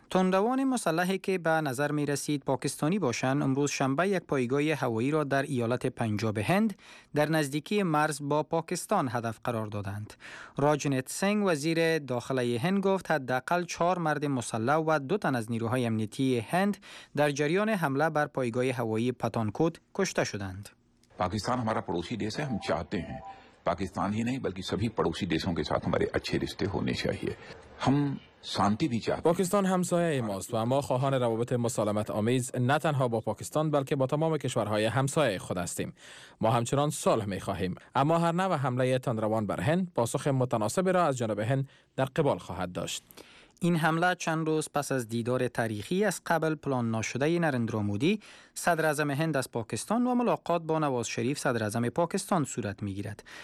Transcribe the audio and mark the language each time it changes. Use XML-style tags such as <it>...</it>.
<fa>تندوان مسلحی که به نظر می رسید پاکستانی باشند، امروز شنبه یک پایگاه هوایی را در ایالت پنجاب هند در نزدیکی مرز با پاکستان هدف قرار دادند. راجنیت سینگ وزیر داخله هند گفت حداقل 4 مرد مسلح و 2 تن از نیروهای امنیتی هند در جریان حمله بر پایگاه هوایی پتانکوت کشته شدند.</fa> <ur>پاکستان ما را پڑوسی دیش ہے، ہم چاہتے ہیں پاکستان ہی نہیں بلکہ سبھی پڑوسی دیشوں کے ساتھ ہمارے اچھے رشتے ہونے چاہیے. ہم شانتی بھی چاہتے ہیں.</ur> <fa>پاکستان همسایه ماست و ما خواهان روابط مسالمت آمیز نه تنها با پاکستان بلکه با تمام کشورهای همسایه خود هستیم. ما همچنان صلح می خواهیم. اما هر نوع حمله تندروان بر هند پاسخ متناسبی را از جانب هند در قبال خواهد داشت. این حمله چند روز پس از دیدار تاریخی از قبل پلان ناشده نریندرا مودی صدر اعظم هند از پاکستان و ملاقات با نواز شریف صدر اعظم پاکستان صورت میگیرد.</fa>